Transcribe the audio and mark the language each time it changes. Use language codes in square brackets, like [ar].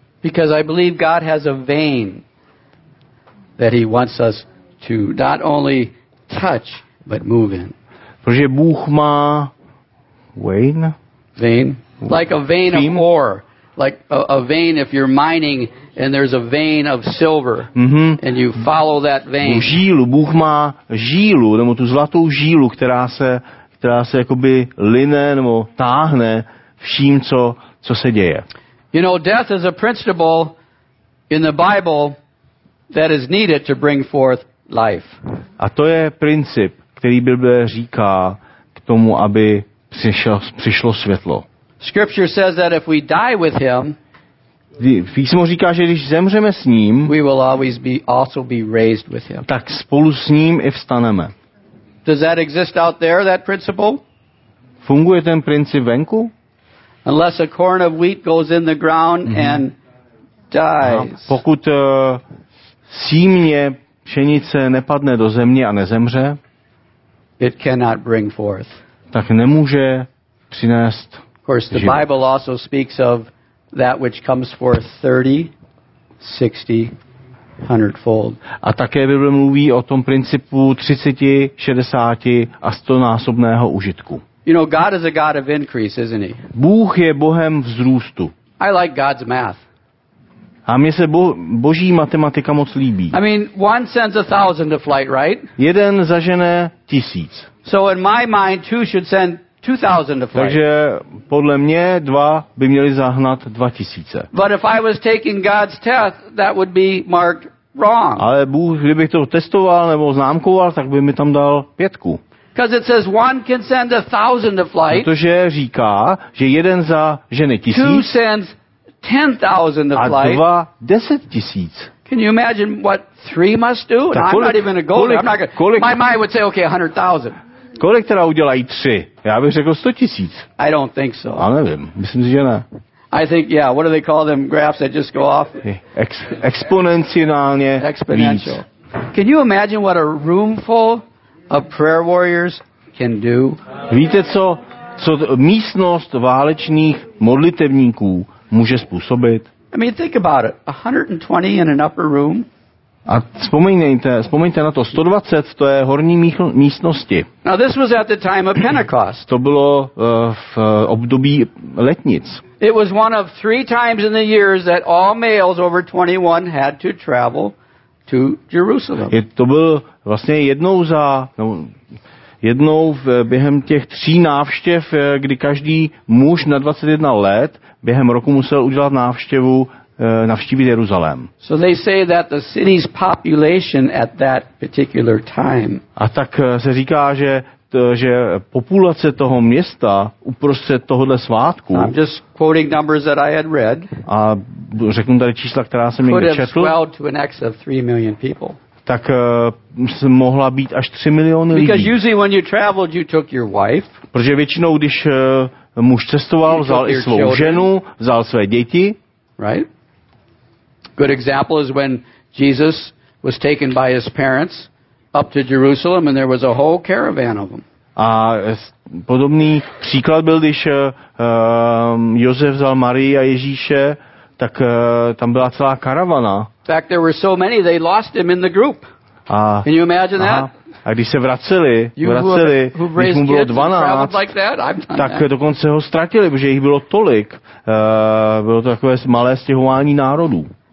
[en] Because I believe God has a vein that he wants us to not only touch but move in. [cs] Protože Bůh má vein [en] like a vein of ore, like a vein if you're mining and there's a vein of silver and you follow that vein. [cs] Bůh má žílu, nebo tu zlatou žílu, která se jakoby line nebo táhne vším, co se děje. [en] You know, death is a principle in the Bible that is needed to bring forth life. [cs] A to je princip, který Bible říká k tomu, aby přišlo světlo. [en] Scripture says that if we die with him, [cs] Písmo říká, že když zemřeme s ním, [en] we will always be also be raised with him. [cs] Tak spolu s ním i vstaneme. [en] Does that exist out there, that principle? [cs] Funguje ten princip venku? [en] Unless a corn of wheat goes in the ground and dies. [cs] A pokud símě pšenice nepadne do země a nezemře, [en] it cannot bring forth. [cs] Tak nemůže přinést. [en] Of course, the Bible also speaks of that which comes forth 30, 60, 100-fold. [cs] A také Bible mluví o tom principu 30, 60 a 100-násobného užitku. [en] You know, God is a God of increase, isn't he? [cs] Bůh je Bohem vzrůstu. [en] I like God's math. [cs] A mně se boží matematika moc líbí. [en] I mean, one sends 1,000 to flight, right? [cs] Jeden zažene 1,000. [en] So in my mind, two should send 2,000 to flight. [cs] Takže podle mě dva by měli zahnat 2,000. [en] But if I was taking God's test, that would be marked wrong. [cs] Ale Bůh, kdybych to testoval nebo známkoval, tak by mi tam dal 5. [en] Because it says one can send 1,000 to flight. [cs] Protože říká, že jeden za ženy 1,000. [en] Two sends 10,000 to flight. [cs] A dva 10,000. [en] Can you imagine what three must do? [cs] Tak [en] I'm not even a goal. My mind would say, okay, 100,000. [cs] Kolik teda udělají tři? Já bych řekl 100,000. [en] I don't think so. [cs] Já nevím. Myslím si, že ne. [en] I think, yeah, what do they call them graphs that just go off? [cs] Exponenciálně. [en] Exponential. Can you imagine what a room full of prayer warriors can do? [cs] Víte, co místnost válečných modlitevníků může způsobit? [en] I mean, think about it. 120 in an upper room. [cs] A vzpomeňte na to. 120, to je horní místnosti. [en] Now, this was at the time of Pentecost. [cs] To bylo v období letnic. [en] It was one of three times in the years that all males over 21 had to travel to Jerusalem. [cs] To byl vlastně jednou za jednou během těch tří návštěv, kdy každý muž na 21 let během roku musel udělat návštěvu, navštívit Jeruzalém. [en] So they say that the city's population at that particular time. [cs] A tak se říká, že populace toho města uprostřed tohohle svátku. [en] I'm just quoting numbers that I had read. [cs] A řeknu tady čísla, která jsem někde četl. [en] Could have swelled to an excess of 3 million people. [cs] Tak mohla být až 3 miliony lidí. [en] Because usually when you traveled, you took your wife. [cs] Protože většinou, když muž cestoval, vzal i svou ženu, vzal své děti. [en] Right? Good example is when Jesus was taken by his parents up to Jerusalem and there was a whole caravan of them. [cs] A podobný příklad byl, když Josef vzal Marii a Ježíše, tak tam byla celá karavana. [en] In fact, there were so many they lost him in the group. Can you imagine that? [cs] A když se vraceli, když mu bylo 12, tak dokonce ho ztratili, protože jich bylo tolik. Bylo to takové malé stěhování národů.